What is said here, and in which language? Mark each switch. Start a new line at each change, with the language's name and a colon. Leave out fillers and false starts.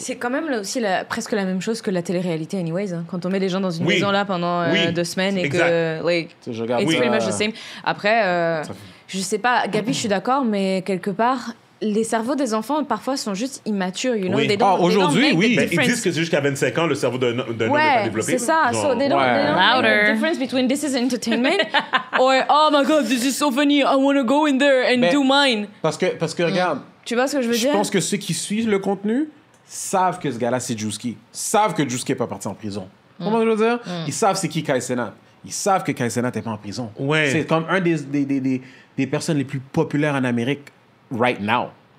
French: C'est quand même là aussi la, presque la même chose que la télé-réalité anyways. Hein, quand on met les gens dans une maison là pendant deux semaines et que...
English: It's pretty much the same.
French: Après, je sais pas, Gabi, je suis d'accord, mais quelque part... Les cerveaux des enfants, parfois, sont juste immatures, you know? Oui. Ah, aujourd'hui, oui. Ben, ils disent que c'est jusqu'à 25 ans, le cerveau d'un homme n'est pas développé. Ouais, c'est ça.
English: So, they don't know the difference between this is entertainment or, oh my God, this is so funny, I want to go in there and do mine.
French: Parce que regarde. Tu vois ce que je veux dire? Je pense que ceux qui suivent le contenu savent que ce gars-là, c'est Juski. Savent que Juski n'est pas parti en prison. Comment je veux dire? Ils savent c'est qui Kai Cenat. Ils savent que Kai Cenat n'est pas en prison. Ouais. C'est comme un des personnes les plus populaires en Amérique.
English: Right now.